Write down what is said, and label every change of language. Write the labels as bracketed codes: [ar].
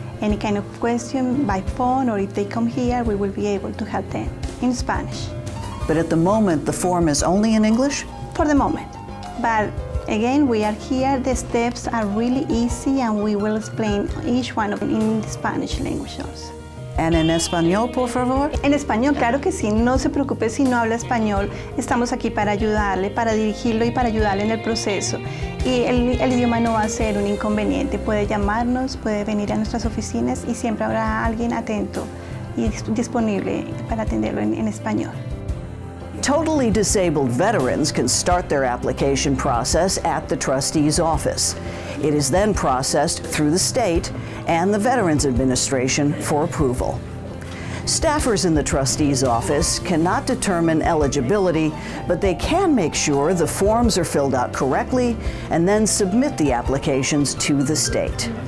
[en] Any kind of question by phone or if they come here, we will be able to help them in Spanish. But at the moment, the form is only in English? For the moment. But again, we are here, the steps are really easy and we will explain each one of them in the Spanish language also. And in [es] español, por favor? En español, claro que sí. No se preocupe si no habla español. Estamos aquí para ayudarle, para dirigirlo y para ayudarle en el proceso. Y el idioma no va a ser un inconveniente. Puede llamarnos, puede venir a nuestras oficinas y siempre habrá alguien atento y disponible para atenderlo en español. [en] Totally disabled veterans can start their application process at the trustee's office. It is then processed through the state and the Veterans Administration for approval. Staffers in the trustee's office cannot determine eligibility, but they can make sure the forms are filled out correctly and then submit the applications to the state.